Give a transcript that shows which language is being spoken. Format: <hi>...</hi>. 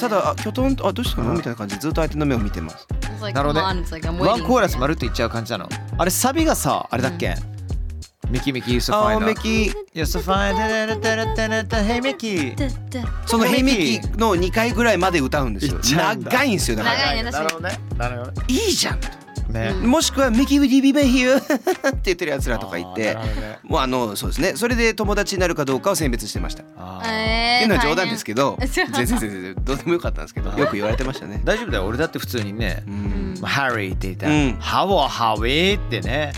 <ja>ただキョトンと、あ、どうしたのみたいな感じでずっと相手の目を見てます。なるほど。ワンコーラスまるっといっちゃう感じなの。あれサビがさ、あれだっけ、ミキミキ、</ja> <en>You're so fine. Oh, Mickey. You're so fine. Hey, Mickey.</en> <ja>その Hey, Mickey の2回ぐらいまで歌うんですよ。長いんですよ。長いね、確かに。なるほどね。いいじゃん。ね、もしくは</ja> <en>「Mickey, would you be my hero?」</en> <ja>って言ってる奴らとかいて、もうあの、そうですね、それで友達になるかどうかを選別してました。っていうのは冗談ですけど、全然どうでもよかったんですけど、よく言われてましたね。大丈夫だよ、俺だって普通にね、ハリーって言ったら、ハワハワイってね、</ja>